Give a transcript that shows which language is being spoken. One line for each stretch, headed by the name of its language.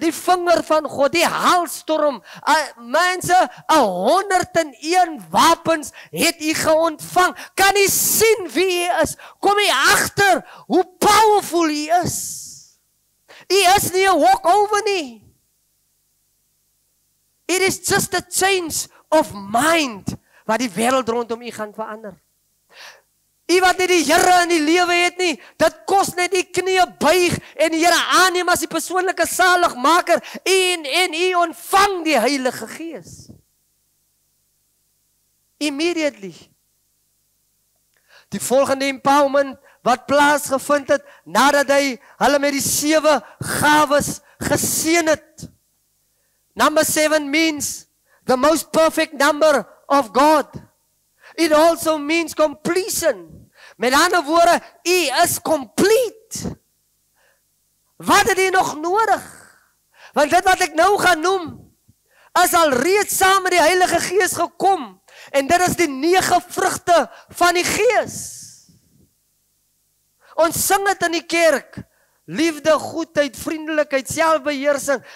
Afrikaans: Die vinger van God, die haalstorm. Mense, 101 wapens het jy geontvang. Kan jy sien wie jy is? Kom jy agter hoe powerful jy is? Jy is nie 'n walkover nie.
English: It is just a change of mind.
Afrikaans: Wat die wereld rondom u gaan verander. U wat nie die Here in die lewe het nie, dit kos net die knie buig en die Here aanneem as die persoonlike saligmaker en u ontvang die Heilige Gees. Immediately. Die volgende empowerment wat plaasgevind het, nadat hy hulle met die 7 gawes geseën het.
English: Number 7 means the most perfect number of God. It also means completion.
Afrikaans: Met ander woorde, u is complete. Wat het u nog nodig? Want dit wat ek nou gaan noem, is al reeds saam met die Heilige Gees gekom. En dit is die 9 vrugte van die Gees. Ons sing het in die kerk. Liefde, goedheid, vriendelijkheid, selfbeheersing.